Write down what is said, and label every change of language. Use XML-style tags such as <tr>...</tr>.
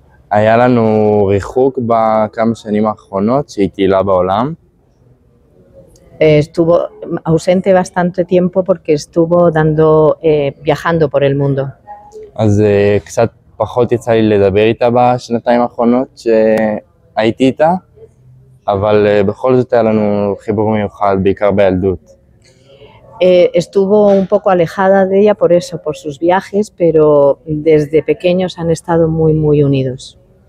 <he>היה לנו ריחוק בכמה שנים האחרונות שהיא טיילה בעולם.</he> <es>Estuvo ausente bastante tiempo porque estuvo dando viajando por el mundo.</es> <he>אז קצת פחות יצא לי לדבר איתה בשנתיים האחרונות שהייתי איתה. אבל בכל זאת היה לנו חיבור מיוחד, בעיקר בילדות.</he> <es>Estuvo un poco alejada de ella por eso, por sus viajes, pero desde pequeños han estado muy muy unidos.</es>